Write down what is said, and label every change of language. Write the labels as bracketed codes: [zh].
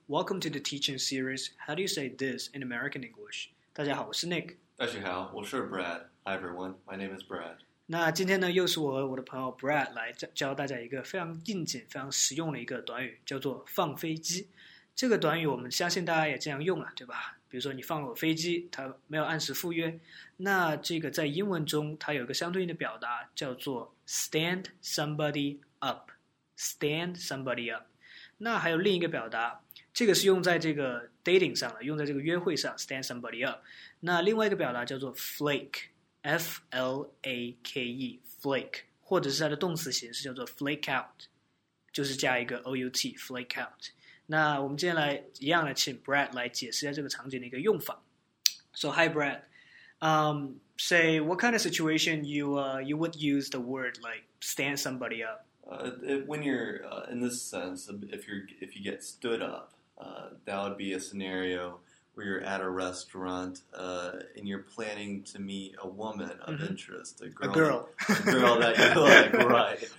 [en] Welcome to the teaching series, How Do You Say This in American English? [zh] 大家好,我是 Nick. 大家好,我是 Brad. [en] Hi everyone, my name is Brad. [zh] 那今天呢,又是我和我的朋友 Brad 来教大家一个非常应景,非常实用的一个短语,叫做放飞机。这个短语我们相信大家也经常用了,对吧?比如说你放了飞机,它没有按时赴约。那这个在英文中,它有一个相对应的表达,叫做 [en] stand somebody up. Stand somebody up. [zh] 那还有另一个表达，这个是用在这个 dating 上的，用在这个约会上 ， [en] stand somebody up。 [zh] 那另外一个表达叫做 flake，F-L-A-K-E，flake， 或者是它的动词形式叫做 flake out， 就是加一个 out，flake out。那我们今天来一样的，请 Brad 来解释一下这个场景的一个用法。 [en] So hi Brad， say what kind of situation you would use the word like stand somebody up? When you're in this sense, if you get stood up, that would be a scenario where you're at a restaurant and you're planning to meet a woman of interest, a girl that you like, right?